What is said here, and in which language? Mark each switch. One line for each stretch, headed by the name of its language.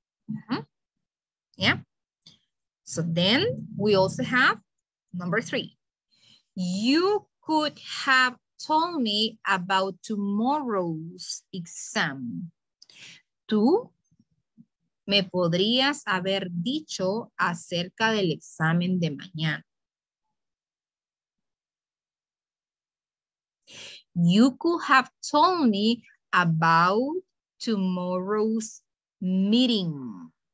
English: Uh-huh. Yeah. So then we also have number three. You could have told me about tomorrow's exam.
Spanish: Tú me podrías haber dicho acerca del examen de mañana.
English: You could have told me about tomorrow's meeting.